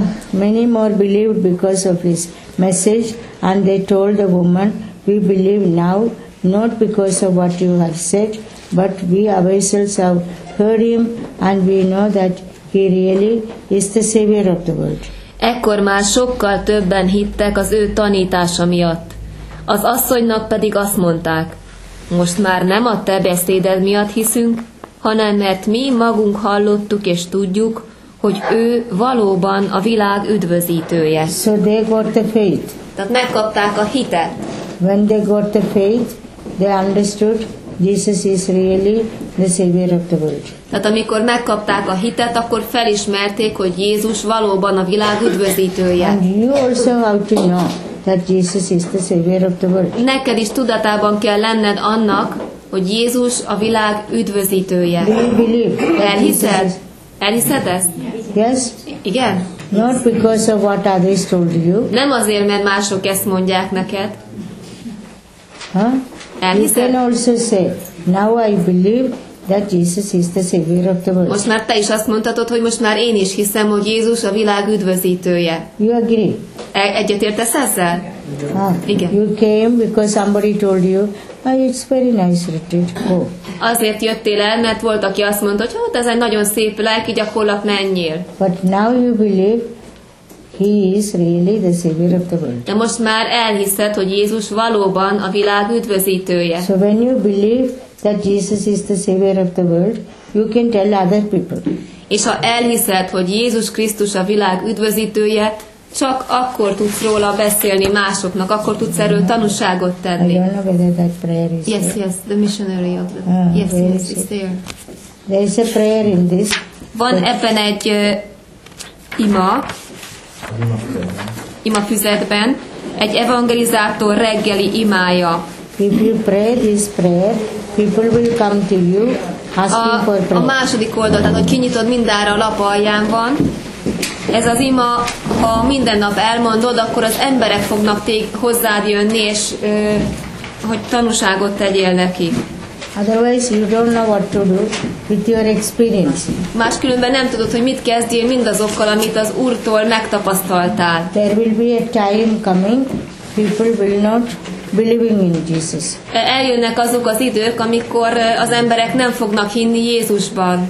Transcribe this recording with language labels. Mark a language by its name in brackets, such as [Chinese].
[English] Many more believed because of his message, and they told the woman, we believe now, not because of what you have said, but we ourselves have heard him, and we know that he really is the savior of the world. [Hungarian] Ekkor már sokkal többen hittek az ő tanítása miatt. Az asszonynak pedig azt mondták, most már nem a te beszéded miatt hiszünk, hanem mert mi magunk hallottuk és tudjuk, hogy ő valóban a világ üdvözítője. [English] So they got the faith. [Hungarian] Tehát megkapták a hitet. [English] When they got the faith, they understood Jesus is really the savior of the world. [Hungarian] Tehát amikor megkapták a hitet, akkor felismerték, hogy Jézus valóban a világ üdvözítője. [English] And you also have to know that Jesus is the savior of the world. [Hungarian] Neked is tudatában kell lenned annak, hogy Jézus a világ üdvözítője. [English] Do you believe? [Hungarian] Elhiszed? Elhiszed ezt? [English] Yes. [Hungarian] Igen? [English] Not because of what others told you. [Hungarian] Nem azért, mert mások ezt mondják neked. Huh? Elhiszed? [English] You can also say, now I believe that Jesus is the savior of the world. [Hungarian] Most már te is azt mondhatod, hogy most már én is hiszem, hogy Jézus a világ üdvözítője. [English] You agree? [Hungarian] Egyetértesz ezzel? Igen. [English] You came because somebody told you, oh, it's very nice retreat. Go. [Hungarian] Azért jöttél el, mert volt, aki azt mondta, hogy hát ez egy nagyon szép lelki gyakorlat, menjél. [English] But now you believe he is really the savior of the world. [Hungarian] De most már elhiszed, hogy Jézus valóban a világ üdvözítője. [English] So when you believe that Jesus is the savior of the world, you can tell other people. [Hungarian] És ha elhiszed, hogy Jézus Krisztus a világ üdvözítője, csak akkor tudsz róla beszélni másoknak, akkor tudsz erről tanúságot tenni. [English] I don't know whether that prayer is yes, there. Yes, the missionary of the... Yes, it's there. There is a prayer in this. [Hungarian] Van ebben egy ima. Ima füzetben. Egy evangelizátor reggeli imája. [English] If you pray this prayer, people will come to you asking for prayer. [Hungarian] A második oldal, tehát hogy kinyitod mindára, a lap alján van. Ez az ima, ha minden nap elmondod, akkor az emberek fognak hozzád jönni, és hogy tanúságot tegyél neki. [English] Otherwise you don't know what to do with your experience. [Hungarian] Máskülönben nem tudod, hogy mit kezdjél mindazokkal, amit az Úrtól megtapasztaltál. [English] There will be a time coming, people will not believing in Jesus. [Hungarian] Eljönnek azok az idők, amikor az emberek nem fognak hinni Jézusban.